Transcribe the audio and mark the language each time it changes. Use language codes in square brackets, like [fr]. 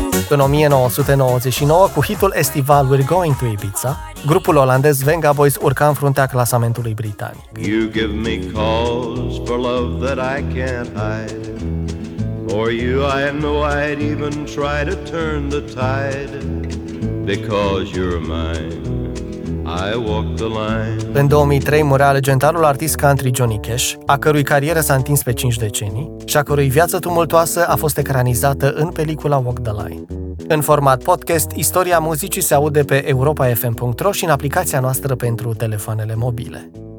[ro] În 1999, cu hitul estival We're Going to Ibiza, grupul olandez Venga Boys urca în fruntea clasamentului britanic. [en] You give me calls for love that I can't hide. For you I know I'd even try to turn the tide. Because you're mine, I walk the line. [ro] În 2003 murea legendarul artist country Johnny Cash, a cărui carieră s-a întins pe 5 decenii și a cărui viață tumultoasă a fost ecranizată în pelicula Walk the Line. În format podcast, istoria muzicii se aude pe europafm.ro și în aplicația noastră pentru telefoanele mobile.